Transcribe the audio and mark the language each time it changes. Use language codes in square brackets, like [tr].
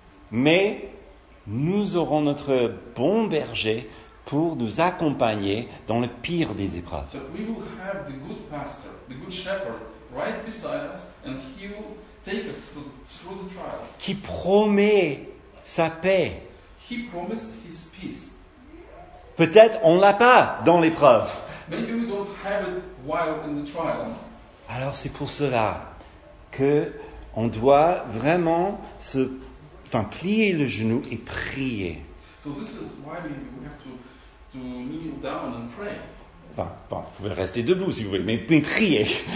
[fr] Mais nous aurons notre bon berger pour nous accompagner dans le pire des épreuves. [en] So we will have the good pastor, the good shepherd, right beside us, and he will take us through the trials. [fr] Qui promet sa paix. [en] He promised his peace. [fr] Peut-être on l'a pas dans l'épreuve. [en] Maybe we don't have it while in the trial. [fr] Alors c'est pour cela que on doit vraiment plier le genou et prier. [en] So this is why we have to kneel down and pray. [fr] Vous pouvez rester debout si vous voulez, mais priez.